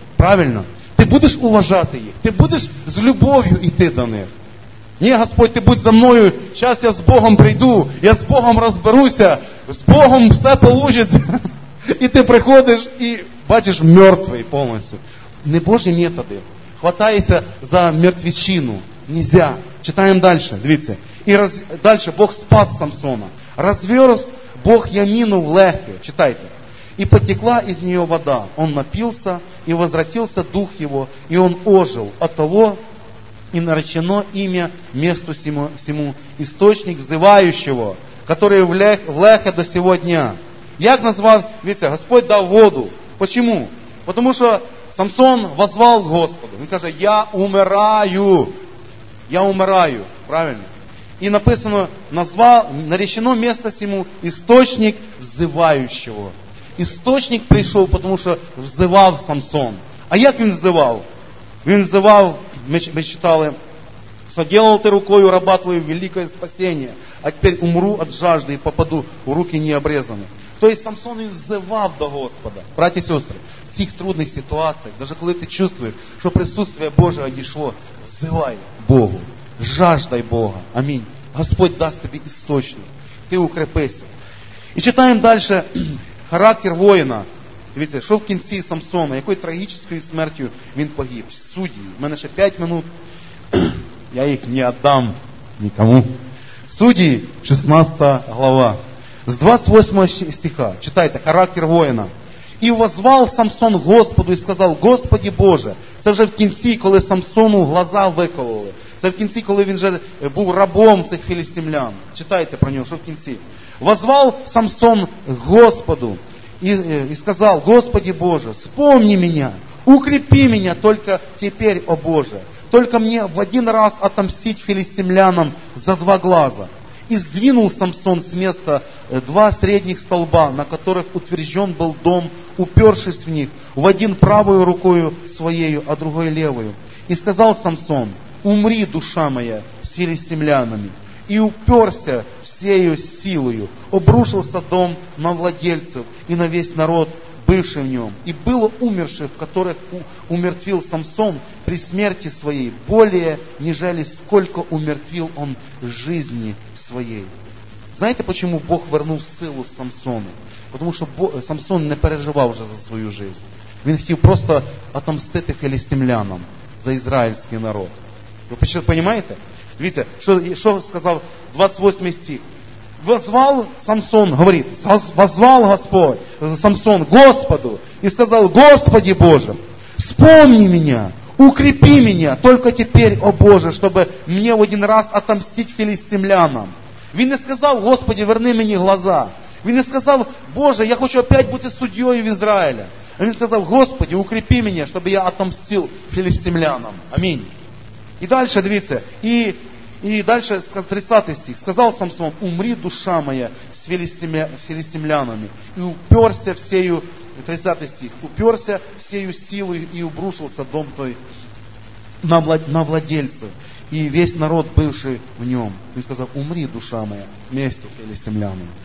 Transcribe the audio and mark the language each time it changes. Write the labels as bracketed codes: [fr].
[uk] Правильно? Ти будеш уважати їх, ти будеш з любов'ю йти до них. Ні, Господь, ти будь за мною, зараз я з Богом прийду, я з Богом розберуся, з Богом все получиться. І ти приходиш і бачиш мертвий повністю. Не Божі методи. Хватайся за мертвечину. Нельзя. Читаємо далі, дивіться. І далі Бог спас Самсона. Розверз Бог Яміну в легкі. [ru] Читайте. И потекла из нее вода. Он напился, и возвратился дух его, и он ожил. Оттого и наречено имя месту всему источник взывающего, который в Лехе до сего дня. [uk] Як назвав, видите, Господь дав воду. [ru] Почему? Потому что Самсон возвал Господу. [uk] Він каже, [ru] я умираю. Я умираю. Правильно? И написано, назвав, наречено место всему источник взывающего. [uk] Источник прийшов, тому що взивав Самсон. А як він взивав? Він взивав, ми читали, що «Делав ти рукою раба твою велике спасіння, а тепер умру від жажди і попаду у руки необрезані». Тобто Самсон він взивав до Господа. Браті і сестри, в цих трудних ситуаціях, навіть коли ти чувствуєш, що присутствие Боже одійшло, взивай Богу, жаждай Бога. Амінь. Господь дасть тобі істочник. Ти укрепися. І читаємо далі. Характер воїна. Дивіться, що в кінці Самсона, якою трагічною смертю він погиб. Судді. У мене ще 5 минут. Я їх не віддам нікому. Судді, 16 глава. З 28 стиха. Читайте, характер воїна. І возвав Самсон Господу і сказав, Господи Боже. Це вже в кінці, коли Самсону глаза викололи. Це в кінці, коли він вже був рабом цих філістимлян. Читайте про нього, що в кінці. [ru] Возвал Самсон Господу и сказал, Господи Боже, вспомни меня, укрепи меня только теперь, о Боже, только мне в один раз отомстить филистимлянам за два глаза. И сдвинул Самсон с места два средних столба, на которых утвержден был дом, упершись в них, в один правую рукою своею, а другой левую. И сказал Самсон, умри, душа моя, с филистимлянами. И уперся всею силою, обрушился дом на владельцев и на весь народ, бывший в нем. И было умерших, которых умертвил Самсон при смерти своей, более, нежели сколько умертвил он жизни своей. Знаете, почему Бог вернул силу Самсону? Потому что Самсон не переживал уже за свою жизнь. Он хотел просто отомстить филистимлянам за израильский народ. Вы понимаете? [uk] Дивіться, що сказав 28 стих. Возвав Самсон, говорить, возвав Господь, Самсон, Господу, і сказав, Господи Боже, вспомни мене, укрепи мене, тільки тепер, о Боже, щоб мені в один раз отомстити філістимлянам. Він не сказав, Господи, верни мені глаза. Він не сказав, Боже, я хочу опять бути суддєю в Ізраїлі. А він сказав, Господи, укрепи мене, щоб я отомстив філістимлянам. [ru] Амінь. И дальше, дивіться, и дальше 30 стих. Сказал Самсон, умри, душа моя, с филистимлянами. И уперся всею, 30 стих, уперся всею силой и обрушился дом той на владельцев. И весь народ, бывший в нем. И сказал, умри, душа моя, вместе с филистимлянами.